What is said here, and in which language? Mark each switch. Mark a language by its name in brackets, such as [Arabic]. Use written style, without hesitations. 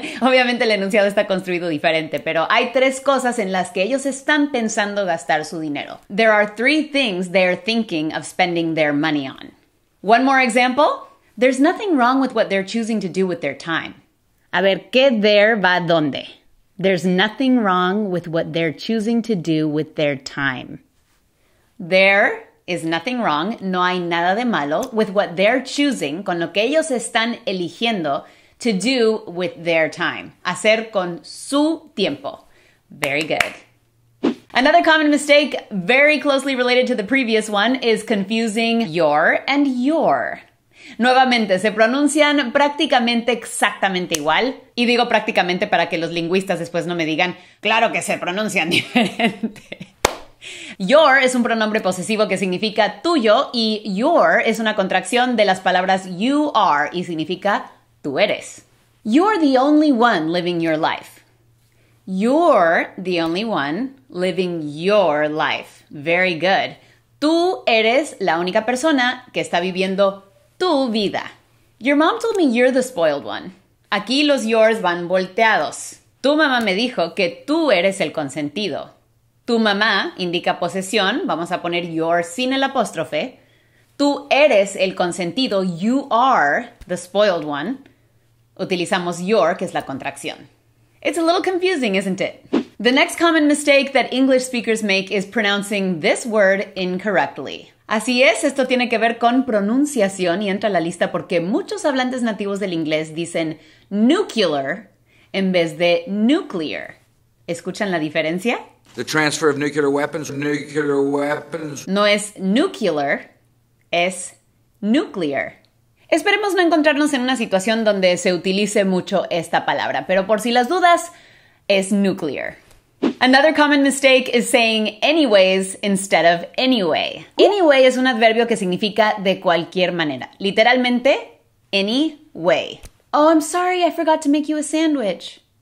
[Spanish] Obviamente el enunciado está construido diferente, pero hay tres cosas en las que ellos están pensando gastar su dinero. [English] There are three things they're thinking of spending their money on. One more example. There's nothing wrong with what they're choosing to do with their time. [Spanish] A ver, ¿qué there va dónde? [English] There's nothing wrong with what they're choosing to do with their time. There is nothing wrong, [Spanish] no hay nada de malo, [English] with what they're choosing, [Spanish] con lo que ellos están eligiendo, [English] to do with their time. [Spanish] Hacer con su tiempo. [English] Very good. Another common mistake, very closely related to the previous one, is confusing your and your. [Spanish] Nuevamente, se pronuncian prácticamente exactamente igual. Y digo prácticamente para que los lingüistas después no me digan, claro que se pronuncian diferente. Your es un pronombre posesivo que significa tuyo y your es una contracción de las palabras you are y significa tú eres. [English] You're the only one living your life. You're the only one living your life. Very good. [Spanish] Tú eres la única persona que está viviendo tu vida. [English] Your mom told me you're the spoiled one. [Spanish] Aquí los yours van volteados. Tu mamá me dijo que tú eres el consentido. Tu mamá indica posesión. Vamos a poner your sin el apóstrofe. Tú eres el consentido. [English] You are the spoiled one. [Spanish] Utilizamos your, que es la contracción. [English] It's a little confusing, isn't it? The next common mistake that English speakers make is pronouncing this word incorrectly. [Spanish] Así es, esto tiene que ver con pronunciación y entra a la lista porque muchos hablantes nativos del inglés dicen nuclear en vez de nuclear. ¿Escuchan la diferencia? [English] The transfer of nuclear weapons, nuclear weapons. [Spanish] No es nuclear, es nuclear. Esperemos no encontrarnos en una situación donde se utilice mucho esta palabra, pero por si las dudas, es nuclear. [English] Another common mistake is saying anyways instead of anyway. [Spanish] Anyway es un adverbio que significa de cualquier manera. Literalmente, any way. [English] Oh, I'm sorry, I forgot to make you a sandwich.